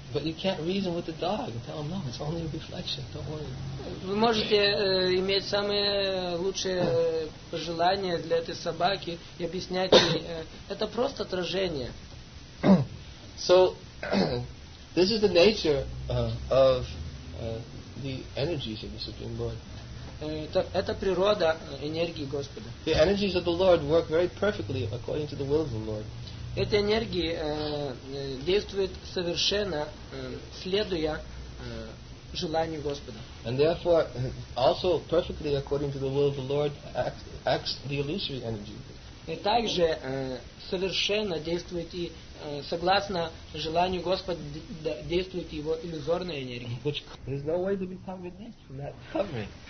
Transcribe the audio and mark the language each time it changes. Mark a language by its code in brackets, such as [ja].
[en] But you can't reason with the dog and tell him, no, it's only a reflection, don't worry. [ru] Вы можете иметь самые лучшие пожелания для этой собаки и объяснять ей, это просто отражение. [en] So, this is the nature of the energies of the Supreme Lord. [ru] Это природа энергии Господа. [en] The energies of the Lord work very perfectly according to the will of the Lord. [ru] Эти энергии действуют совершенно, следуя желанию Господа. [en] And therefore, also perfectly according to the will of the Lord, acts the illusory energy. [ru] И также совершенно действует и согласно желанию Господа действует его иллюзорная энергия. [en] There's no way to become released from that covering.